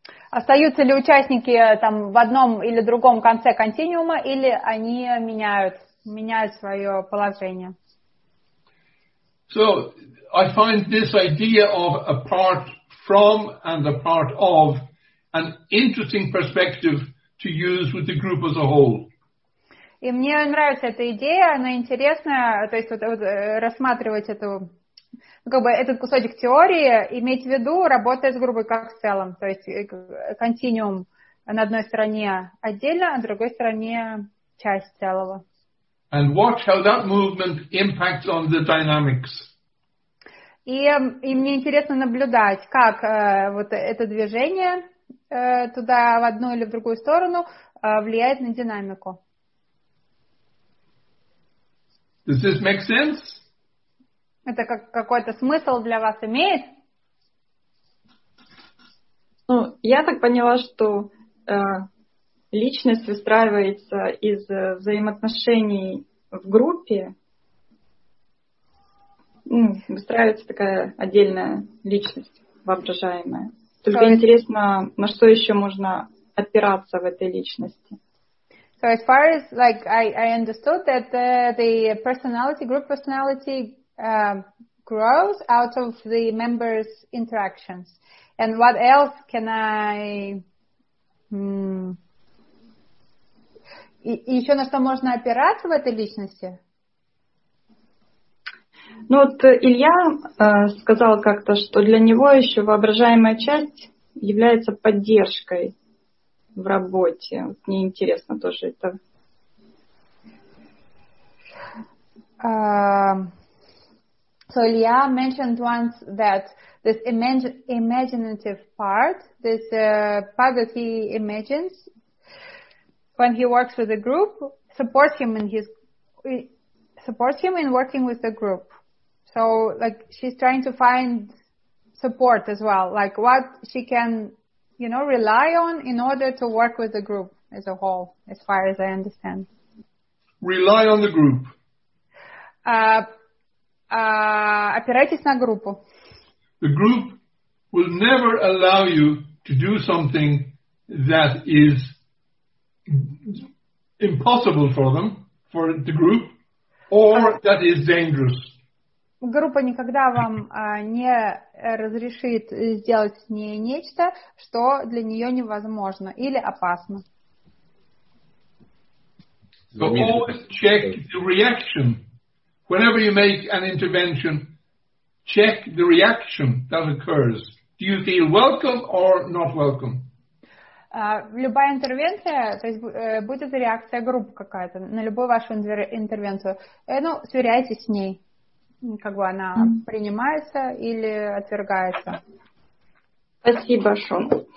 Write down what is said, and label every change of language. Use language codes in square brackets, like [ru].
[ru] Остаются ли участники там в одном или другом конце континуума, или они меняют свое положение? [en] So I find this idea of apart from and apart of an interesting perspective to use with the group as a whole. [ru] И мне нравится эта идея, она интересная, то есть вот рассматривать эту, как бы этот кусочек теории, иметь в виду, работая с группой как в целом, то есть континуум на одной стороне отдельно, а на другой стороне часть целого. [en] And watch how that movement impacts on the dynamics. [ru] И мне интересно наблюдать, как вот это движение туда, в одну или в другую сторону, влияет на динамику. [en] Does this make sense? [ru] Это какой-то смысл для вас имеет? Ну, я так поняла, что личность выстраивается из взаимоотношений в группе. Выстраивается такая отдельная личность, воображаемая. Только интересно, на что еще можно опираться в этой личности? [en] So as far as like I understood that the personality, group personality grows out of the members' interactions. And what else can I... [ru] И еще на что можно опираться в этой личности? Ну вот Илья сказал как-то, что для него еще воображаемая часть является поддержкой в работе. Вот мне интересно тоже это. [en] So Илья mentioned once that this imaginative part, this part that he imagines when he works with the group, supports him in working with the group. So, like, she's trying to find support as well, like what she can, you know, rely on in order to work with the group as a whole, as far as I understand. Rely on the group. [ru] Опирайтесь на группу. [en] The group will never allow you to do something that is impossible for them, for the group, or that is dangerous. [ru] Группа никогда вам не разрешит сделать с ней нечто, что для нее невозможно или опасно. [en] So always check the reaction. Whenever you make an intervention, check the reaction that occurs. Do you feel welcome or not welcome? [ru] Любая интервенция, то есть будет реакция группы какая-то на любую вашу интервенцию. Ну, сверяйтесь с ней. Как бы она принимается или отвергается. Спасибо, Шон.